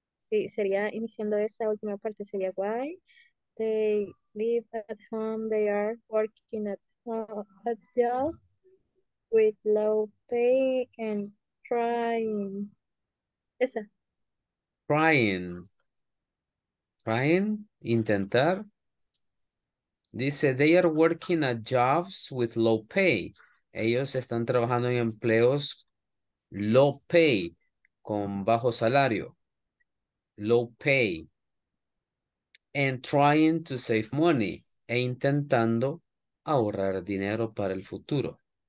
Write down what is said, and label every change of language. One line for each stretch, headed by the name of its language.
Spanish: Sí, sería iniciando esa última parte, sería why.
English: They live at home, they are working at home, at jobs with low pay and trying.
Spanish: Esa.
English: Trying,
Spanish: intentar.
English: Dice, they are working at jobs with low pay.
Spanish: Ellos están trabajando en empleos
English: low pay,
Spanish: con bajo salario.
English: Low pay. And trying to save money.
Spanish: E intentando ahorrar dinero para el futuro.